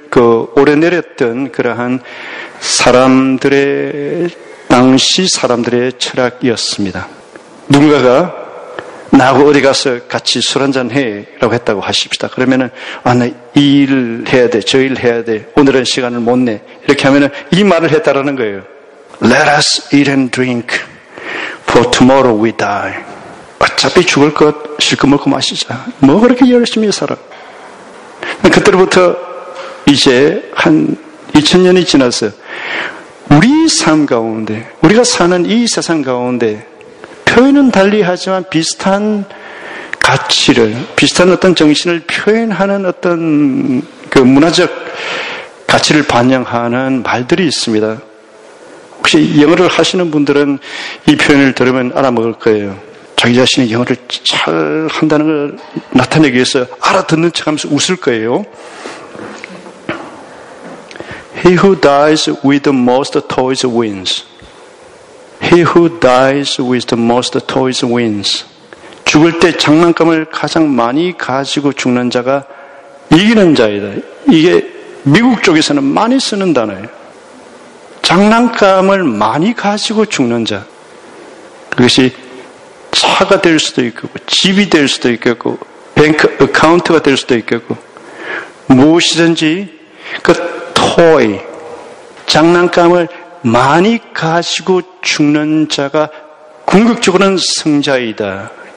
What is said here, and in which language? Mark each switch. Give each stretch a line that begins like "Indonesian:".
Korean: 그 오래 내렸던 그러한 사람들의 당시 사람들의 철학이었습니다. 누군가가 나하고 어디 가서 같이 술 한잔 해라고 했다고 하십시다. 그러면은 아, 나 이 일 해야 돼, 저 일 해야 돼, 오늘은 시간을 못 내, 이렇게 하면은 이 말을 했다라는 거예요.
English: Let us eat and drink, for tomorrow we die.
Korean: 어차피 죽을 것 실컷 먹고 마시자. 뭐 그렇게 열심히 살아. 그때부터 이제 한 2000년이 지나서 우리 삶 가운데, 우리가 사는 이 세상 가운데 표현은 달리하지만 비슷한 가치를, 비슷한 어떤 정신을 표현하는 어떤 그 문화적 가치를 반영하는 말들이 있습니다. 혹시 영어를 하시는 분들은 이 표현을 들으면 알아먹을 거예요. 자기 자신이 영어를 잘 한다는 걸 나타내기 위해서 알아듣는 척 하면서 웃을 거예요.
English: He who dies with the most toys wins. He who dies with the most toys wins.
Korean: 죽을 때 장난감을 가장 많이 가지고 죽는 자가 이기는 자이다. 이게 미국 쪽에서는 많이 쓰는 단어예요. 장난감을 많이 가지고 죽는 자. 그것이 차가 될 수도 있겠고, 집이 될 수도 있겠고, 뱅크 어카운트가 될 수도 있겠고, 무엇이든지 그 토이, 장난감을 많이 가지고 죽는 자가 궁극적으로는 승자이다.